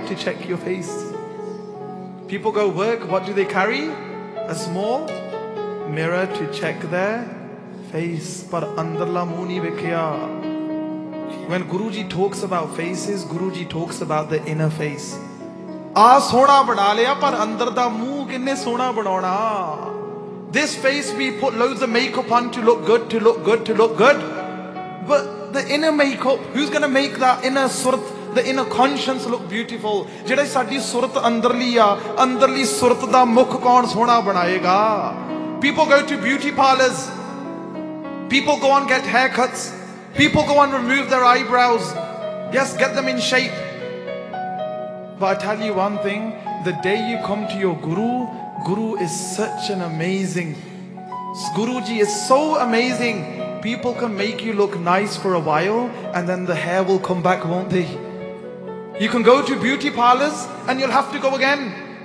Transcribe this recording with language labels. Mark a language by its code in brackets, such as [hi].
[en] To check your face. People go work, what do they carry? A small mirror to check their face. [pa] Par andarla muni vekhya. [en] When Guruji talks about faces, Guruji talks about the inner face. [pa] ਆ ਸੋਹਣਾ ਬਣਾ ਲਿਆ, ਪਰ ਅੰਦਰ ਦਾ ਮੂੰਹ ਕਿੰਨੇ ਸੋਹਣਾ ਬਣਾਉਣਾ. [en] This face we put loads a makeup on to look good, to look good, to look good. But the inner makeup, who's gonna make the inner ਸੁਰਤ, the inner conscience look beautiful? [pa] ਜਿਹੜੀ ਸਾਡੀ ਸੁਰਤ ਅੰਦਰਲੀ ਆ, ਅੰਦਰਲੀ ਸੁਰਤ ਦਾ ਮੁੱਖ ਕੌਣ ਸੋਹਣਾ ਬਣਾਏਗਾ? [en] People go to beauty parlours, people go on get hair cuts, people go on remove their eyebrows, yes, get them in shape. But I tell you one thing, the day you come to your guru, guru is such an amazing, Guruji is so amazing, people can make you look nice for a while and then the hair will come back, won't they? You can go to beauty parlors and you'll have to go again.